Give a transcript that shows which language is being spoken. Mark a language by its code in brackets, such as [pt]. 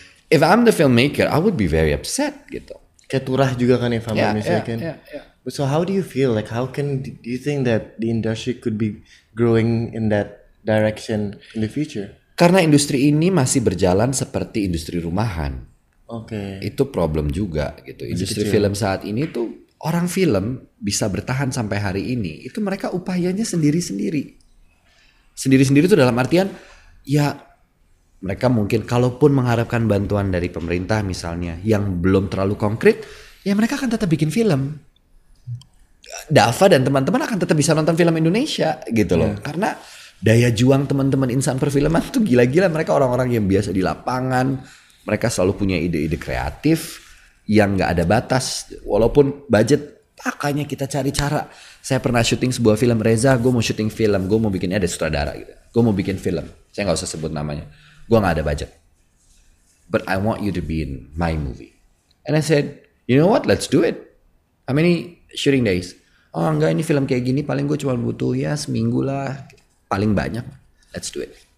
[en] if I'm the filmmaker, I would be very upset gitu. [id] Kayak turah juga kan [en] if I'm not mistaken. So how do you feel? Like how can, do you think that the industry could be growing in that direction in the future? [id] Karena industri ini masih berjalan seperti industri rumahan. Oke. Okay. Itu problem juga gitu. Industri film saat ini tuh orang film bisa bertahan sampai hari ini. Itu mereka upayanya sendiri-sendiri. Sendiri-sendiri itu dalam artian ya mereka mungkin kalaupun mengharapkan bantuan dari pemerintah misalnya yang belum terlalu konkret, ya mereka akan tetap bikin film. Dava dan teman-teman akan tetap bisa nonton film Indonesia gitu loh. Yeah. Karena daya juang teman-teman insan perfilman tuh gila-gila. Mereka orang-orang yang biasa di lapangan. Mereka selalu punya ide-ide kreatif yang gak ada batas. Walaupun budget, makanya kita cari cara. Saya pernah syuting sebuah film, Reza, gue mau syuting film. Gue mau bikin, ada sutradara gitu. Gue mau bikin film. Saya gak usah sebut namanya. Gue gak ada budget. [en] But I want you to be in my movie. And I said, you know what, let's do it. How many shooting days? [id] Oh enggak, ini film kayak gini paling gue cuma butuh ya seminggu lah. Paling banyak, [en] let's do it.